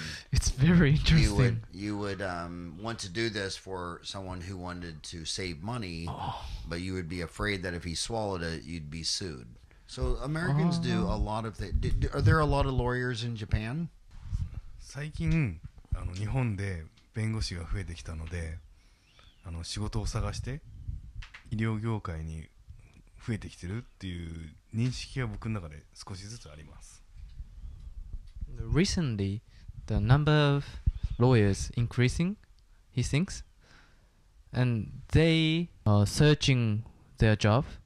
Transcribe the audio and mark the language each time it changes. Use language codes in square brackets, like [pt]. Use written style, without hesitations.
[en] It's very interesting. You would want to do this for someone who wanted to save money, but you would be afraid that if he swallowed it, you'd be sued. So Americans do a lot of things. Are there a lot of lawyers in Japan? [ja] 最近あの日本で弁護士が増えてきたのであの仕事を探して医療業界に増えてきてるっていう認識は僕の中で少しずつあります。 [en] Recently, the number of lawyers increasing, he thinks, and they are searching their job.